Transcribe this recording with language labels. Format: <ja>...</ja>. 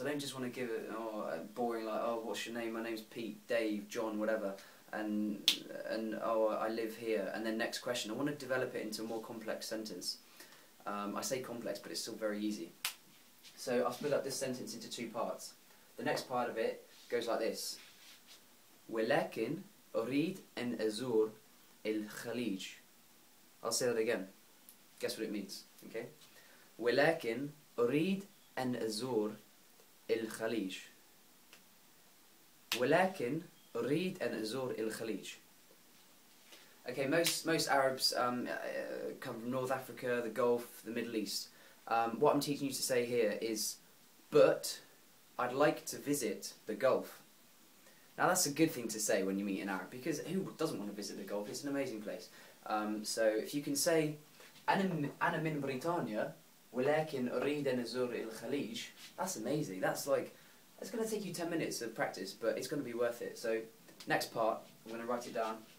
<en>I don't just want to give it a boring, like, oh, what's your name? My name's Pete, Dave, John, whatever. And oh, I live here. And then next question. I want to develop it into a more complex sentence. I say complex, but it's still very easy. So I'll split up this sentence into two parts. The next part of it goes like this.</en> <ar>ولكن أريد أن أزور الخليج.</ar> <en>I'll say that again. Guess what it means, okay?</en> <ar>ولكن أريد أن أزور الخليج. ولكن أريد أن أزور الخليج.</ar> <en>Okay, most Arabs come from North Africa, the Gulf, the Middle East. What I'm teaching you to say here is, but I'd like to visit the Gulf. Now that's a good thing to say when you meet an Arab, because who doesn't want to visit the Gulf? It's an amazing place. So if you can say,</en> <ar>أنا من بريطانيا ولكن أريد أن أزور الخليج,</ar> <en>that's amazing. That's like, it's going to take you 10 minutes of practice, but it's going to be worth it. So next part, I'm going to write it down.</en>